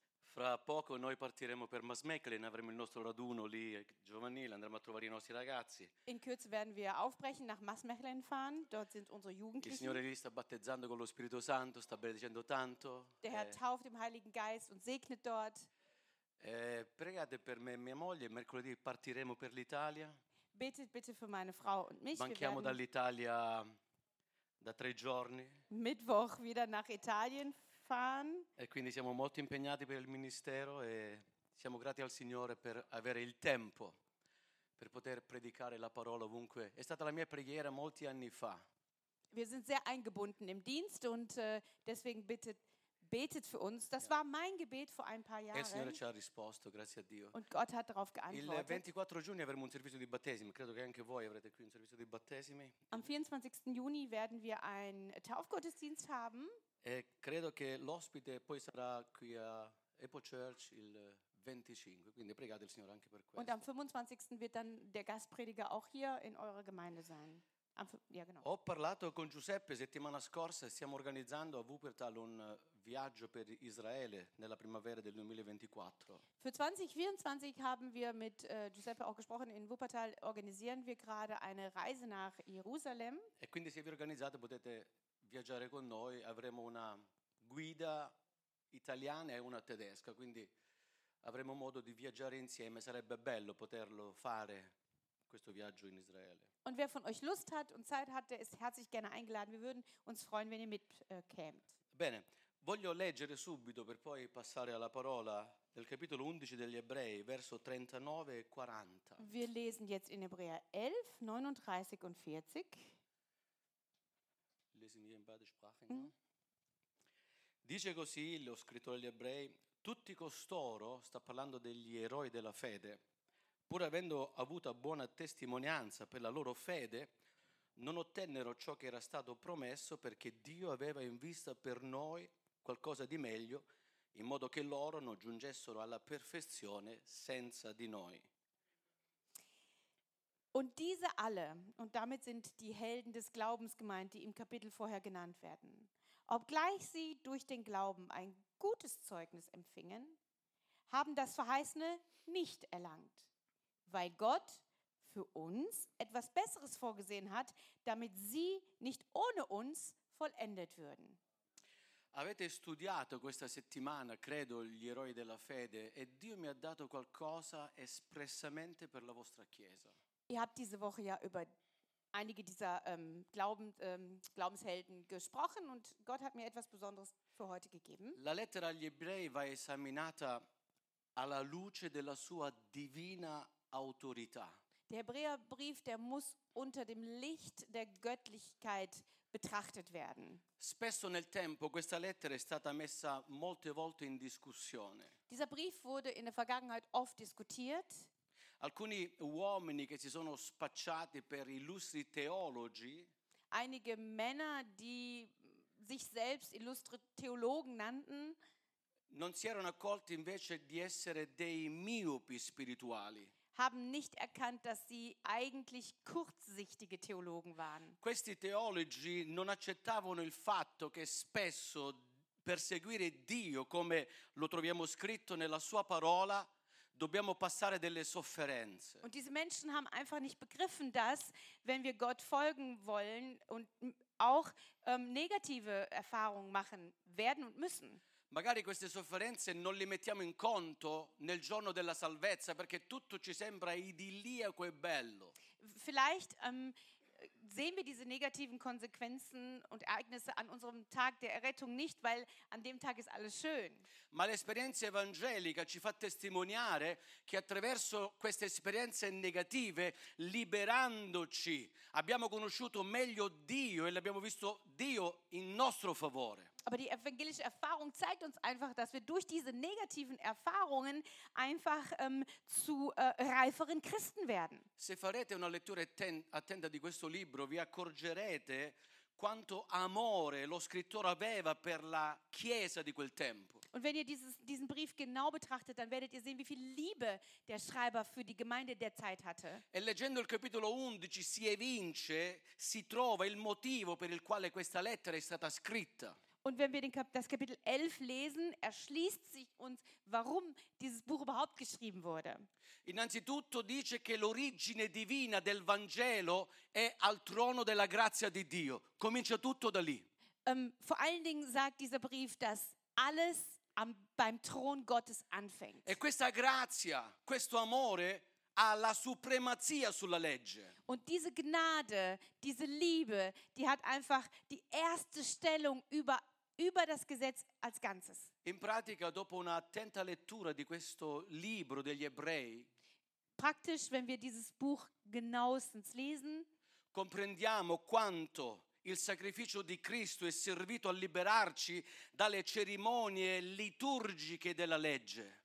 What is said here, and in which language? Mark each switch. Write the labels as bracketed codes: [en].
[it] Fra poco noi partiremo per Masmeklin, avremo il nostro raduno lì giovanile, andremo a trovare i nostri ragazzi. [de] In Kürze werden wir aufbrechen nach Masmeklin fahren. Dort sind unsere Jugendlichen. [it] Il Signore lì sta battezzando con lo Spirito Santo, sta benedicendo tanto. [de] Der Herr tauft im Heiligen Geist und segnet dort. [it] Pregate per me e mia moglie, mercoledì partiremo per l'Italia. [de] Betet bitte für meine Frau und mich. [it] Manchiamo dall'Italia da tre giorni. [de] Mittwoch wieder nach Italien. Fahren. [it] E quindi siamo molto impegnati per il ministero e siamo grati al Signore per avere il tempo per poter predicare la parola ovunque. È stata la mia preghiera molti anni fa. [de] Wir sind sehr eingebunden im Dienst und deswegen betet für uns. Das war mein Gebet vor ein paar Jahren. [it] E il Signore ci ha risposto, grazie a Dio. [de] Und Gott hat darauf geantwortet. [it] Il 24 giugno avremo un servizio di battesimi. Credo che anche voi avrete qui un servizio di battesimi. [de] Am 24. Juni werden wir einen Taufgottesdienst haben. [it] E credo che l'ospite poi sarà qui a Epo Church il 25, quindi pregate il Signore anche per questo. [de] Und am 25. wird dann der Gastprediger auch hier in eurer Gemeinde sein. [it] Ho parlato con Giuseppe settimana scorsa e stiamo organizzando a Wuppertal un viaggio per Israele nella primavera del 2024. [de] Für 2024 haben wir mit Giuseppe auch gesprochen. In Wuppertal organisieren wir gerade eine Reise nach Jerusalem. [it] E quindi se vi organizzate potete viaggiare con noi, avremo una guida italiana e una tedesca, quindi avremo modo di viaggiare insieme, sarebbe bello poterlo fare questo viaggio in Israele. [de] Und wer von euch Lust hat und Zeit hat, der ist herzlich gerne eingeladen. Wir würden uns freuen, wenn ihr mitkämt. [it] Bene, voglio leggere subito per poi passare alla parola del capitolo 11 degli Ebrei, verso 39 e 40. [de] Wir lesen jetzt in Ebräer 11, 39 und 40. Lesen hier in beide Sprachen, no? [it] Dice così lo scrittore agli ebrei, tutti costoro, sta parlando degli eroi della fede, pur avendo avuto buona testimonianza per la loro fede, non ottennero ciò che era stato promesso perché Dio aveva in vista per noi qualcosa di meglio, in modo che loro non giungessero alla perfezione senza di noi. [de] Und diese alle, und damit sind die Helden des Glaubens gemeint, die im Kapitel vorher genannt werden, obgleich sie durch den Glauben ein gutes Zeugnis empfingen, haben das Verheißene nicht erlangt, weil Gott für uns etwas Besseres vorgesehen hat, damit sie nicht ohne uns vollendet würden. [it] Avete studiato questa settimana, credo, gli eroi della fede, e Dio mi ha dato qualcosa espressamente per la vostra Chiesa. [de] Ihr habt diese Woche ja über einige dieser Glaubenshelden gesprochen und Gott hat mir etwas Besonderes für heute gegeben. [it] La lettera agli ebrei va esaminata alla luce della sua divina autorità. [de] Der Hebräerbrief, der muss unter dem Licht der Göttlichkeit betrachtet werden. [it] Spesso nel tempo questa lettera è stata messa molte volte in discussione. [de] Dieser Brief wurde in der Vergangenheit oft diskutiert. [it] Alcuni uomini che si sono spacciati per illustri teologi. [de] Einige Männer, die sich selbst illustre Theologen nannten. [it] Non si erano accorti invece di essere dei miopi spirituali. [de] haben nicht erkannt, dass sie eigentlich kurzsichtige Theologen waren. [it] Questi teologi non accettavano il fatto che spesso perseguire Dio, come lo troviamo scritto nella sua parola, dobbiamo passare delle sofferenze. [de] Und diese Menschen haben einfach nicht begriffen, dass wenn wir Gott folgen wollen und auch negative Erfahrungen machen werden und müssen. [it] Magari queste sofferenze non le mettiamo in conto nel giorno della salvezza, perché tutto ci sembra idilliaco e bello. [de] Vielleicht sehen wir diese negativen Konsequenzen und Ereignisse an unserem Tag der Errettung nicht, weil an dem Tag ist alles schön. [it] Ma l'esperienza evangelica ci fa testimoniare che attraverso queste esperienze negative, liberandoci, abbiamo conosciuto meglio Dio e l'abbiamo visto Dio in nostro favore. [de] Aber die evangelische Erfahrung zeigt uns einfach, dass wir durch diese negativen Erfahrungen einfach zu reiferen Christen werden. [it] Se farete una lettura attenta di questo libro, vi accorgerete quanto amore lo scrittore aveva per la chiesa di quel tempo. [de] Und wenn ihr diesen Brief genau betrachtet, dann werdet ihr sehen, wie viel Liebe der Schreiber für die Gemeinde der Zeit hatte. [it] E leggendo il capitolo 11 si evince, si trova il motivo per il quale questa lettera è stata scritta. [de] Und wenn wir das Kapitel 11 lesen, erschließt sich uns, warum dieses Buch überhaupt geschrieben wurde. [it] Innanzitutto dice che l'origine divina del Vangelo è al trono della grazia di Dio. Comincia tutto da lì. [de] Vor allen Dingen sagt dieser Brief, dass alles beim Thron Gottes anfängt. [it] E questa grazia, questo amore ha la supremazia sulla legge. [de] Und diese Gnade, diese Liebe, die hat einfach die erste Stellung über das Gesetz als Ganzes. [it] In pratica, dopo una attenta lettura di questo libro degli Ebrei, [de] praktisch, wenn wir dieses Buch genauestens lesen, [it] comprendiamo quanto il sacrificio di Cristo è servito a liberarci dalle cerimonie liturgiche della legge.